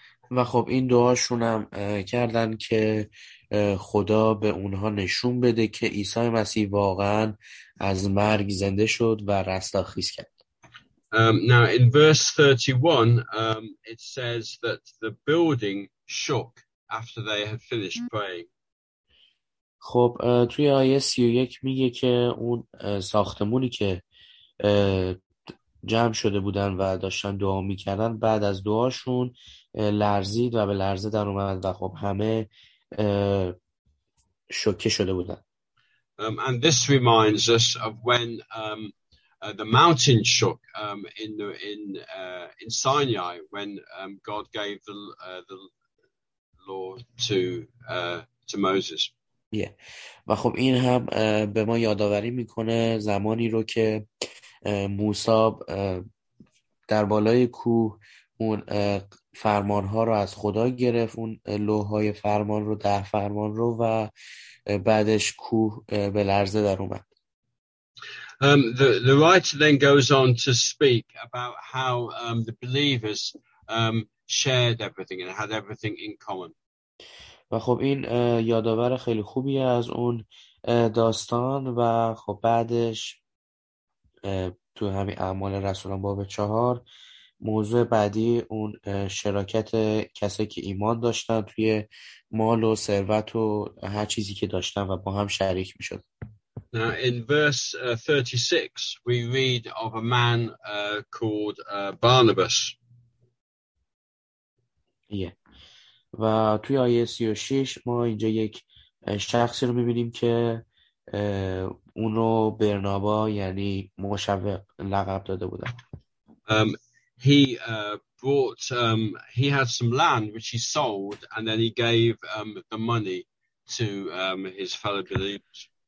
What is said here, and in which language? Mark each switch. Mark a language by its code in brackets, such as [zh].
[fa] و خب این دعاشون هم کردن که خدا به اونها نشون بده که عیسی مسیح واقعا از مرگ زنده شد و رستاخیز کرد. [en] Now in verse 31 it says that the building shook after they had finished praying. [fa] خب توی آیه 31 میگه که اون ساختمونی که جمع شده بودن و داشتن دعا میکردن بعد از دعاشون لرزید و به لرزه در اومد و خب همه شوکه شده بودن. [en] And this reminds us of when the mountain shook in Sinai when God gave the law to Moses. Yeah. [fa] و خب این هم به ما یادآوری میکنه زمانی رو که موسی در بالای کوه اون فرمان ها رو از خدا گرفت، اون لوح‌های فرمان رو، ده فرمان رو، و بعدش کوه به لرزه در اومد. [en] The writer then goes on to speak about how the believers shared everything and had everything in common. [fa] و خب این یادآور خیلی خوبی از اون داستان و خب بعدش تو همین اعمال رسولان باب 4 موضوع بعدی اون شراکت کسایی که ایمان داشتن توی مال و ثروت و هر چیزی که داشتن و با هم شریک می شد. [en] Now in verse 36 we read of a man called Barnabas. Yeah. [fa] و توی آیه 36 ما اینجا یک شخصی رو می بینیم که اونو برنابا یعنی مشوق لقب داده بودن. [en] He brought he had some land which he sold, and then he gave the money to his fellow believers.